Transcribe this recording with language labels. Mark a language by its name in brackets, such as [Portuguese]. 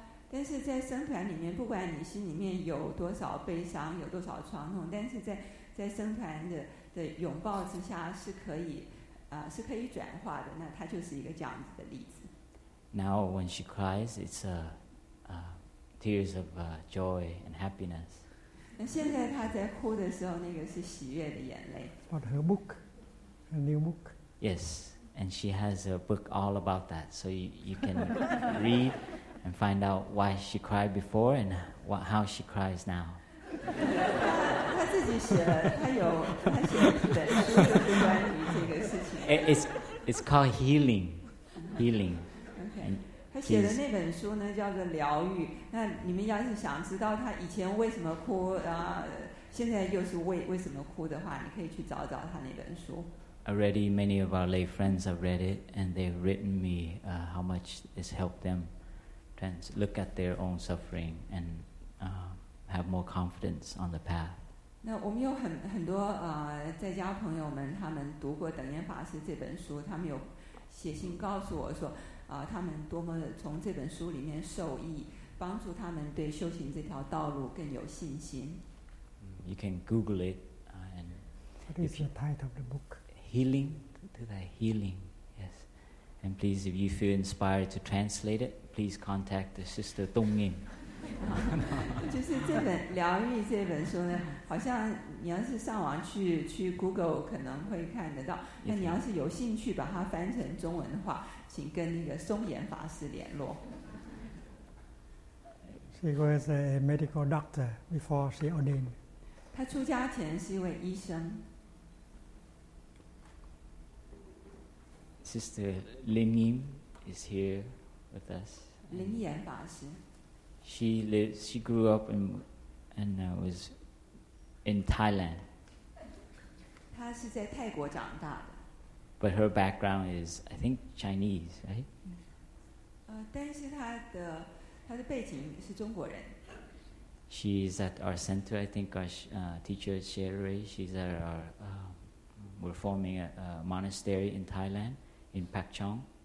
[Chinese] 但是在僧团里面，不管你心里面有多少悲伤，有多少创痛，但是在僧团的拥抱之下是可以。是可以转化的，那她就是一个这样子的例子。 [English] Now when she cries, it's tears of joy and happiness. [Chinese] 那现在她在哭的时候，那个是喜悦的眼泪。 [English] What her book? A new book? Yes, and she has a book all about that, so you can read and find out why she cried before and how she cries now. [Chinese] 她自己写了，她写了一本书，就是关于这个。 [English] It's called healing. Okay. [Chinese] 他写的那本书呢叫做疗愈。那你们要是想知道他以前为什么哭，现在又是为什么哭的话，你可以去找找他那本书。 [English] Already many of our lay friends have read it, and they've written me how much it's helped them look at their own suffering and have more confidence on the path. [Chinese] 那我们有很多在家朋友们，他们读过等严法师这本书，他们有写信告诉我说他们多么的从这本书里面受益，帮助他们对修行这条道路更有信心。 [English] You can Google it. And what is the title of the book? Healing, to that healing, yes. And please, if you feel inspired to translate it, please contact the Sister Dong Ying. [Chinese] 就是这本疗愈这本书呢，好像你要是上网去 Google 可能会看得到。那你要是有兴趣把它翻成中文的话，请跟那个松岩法师联络。 [English] She was a medical doctor before she ordained. [Chinese] 她出家前是一位医生。 [English] Sister Lin Yin is here with us. [Chinese] 林岩法师。 [English] She grew up and was in Thailand. [Chinese] 她是在泰国长大的。 [English] But her background is, I think, Chinese, right? [Chinese] 但是她的背景是中国人。 [English] She's at our center, I think, our teacher Sherry. She's at our, we're forming a monastery in Thailand, in Pak Chong.